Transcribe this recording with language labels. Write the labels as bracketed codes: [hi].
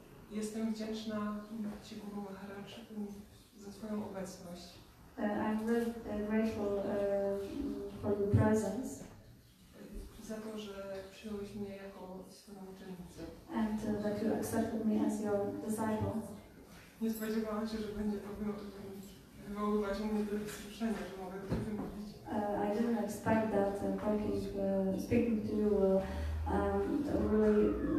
[pl] Jestem wdzięczna Ci, Guru Maharaj, za Twoją obecność. [en] I'm really grateful for your presence. [pl] Za to, że przyjąłeś mnie jako swoją uczennicę. [en] And that you accepted me as your disciple. [pl] Nie spodziewałam się, że będzie to wywoływać u mnie do wzruszenia, że mogę to wymówić. [en] I didn't expect that speaking to you will really...